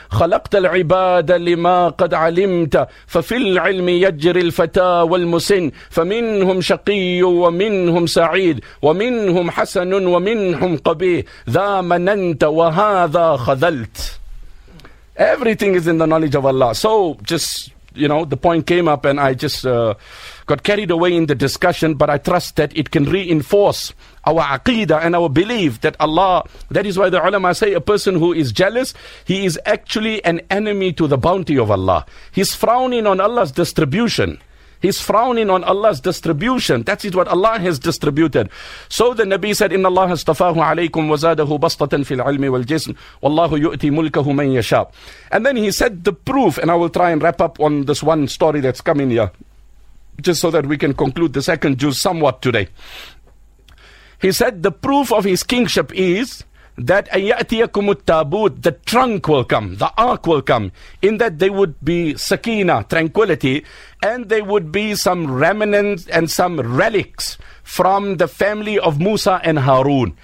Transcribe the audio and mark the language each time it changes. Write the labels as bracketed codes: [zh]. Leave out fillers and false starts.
[ar] خلقت العباد لما قد علمت ففي العلم يجري الفتى والمسن فمنهم شقي ومنهم سعيد ومنهم حسن ومنهم قبيح ذا مننت وهذا خذلت. [en] Everything is in the knowledge of Allah. So just, you know, the point came up and I just got carried away in the discussion, but I trust that it can reinforce our aqidah and our belief that Allah, that is why the ulama say a person who is jealous, he is actually an enemy to the bounty of Allah. He's frowning on Allah's distribution. He's frowning on Allah's distribution. That is what Allah has distributed. So the Nabi said, [ar] إِنَّ اللَّهَ اصْطَفَاهُ عَلَيْكُمْ وَزَادَهُ بَسْطَةً فِي الْعِلْمِ وَالْجِسْمِ وَاللَّهُ يُؤْتِي مُلْكَهُ مَنْ يَشَاءُ. [en] And then he said the proof, and I will try and wrap up on this one story that's coming here, just so that we can conclude the second juz somewhat today. He said the proof of his kingship is that [ar] أَيَأْتِيَكُمُ التَّابُوتُ, [en] the trunk will come, the ark will come, in that they would be sakina, tranquility, and they would be some remnants and some relics from the family of Musa and Harun.